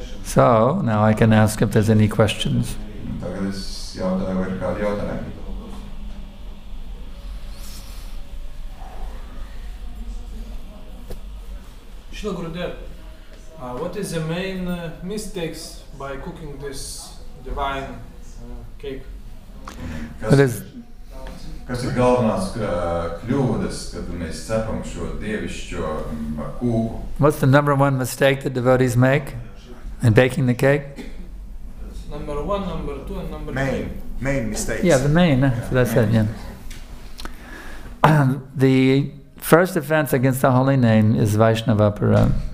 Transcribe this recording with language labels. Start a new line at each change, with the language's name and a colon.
English: So, now I can ask if there's any questions.
Latvian: Tagad es jautāju, vai ir kādi jautājumi.
English: Shrila Gurudev, what is the main mistakes by cooking this divine cake?
Latvian: Kas ir galvenās kļūdas, kad mēs cepam šo dievišķo kūku?
English: What's the number one mistake that devotees make in baking the cake? Number one, number two, and number main. Three. Main mistakes. Yeah, the main, so that's main. It, yeah. The first offense against the holy name is Vaishnava Apara.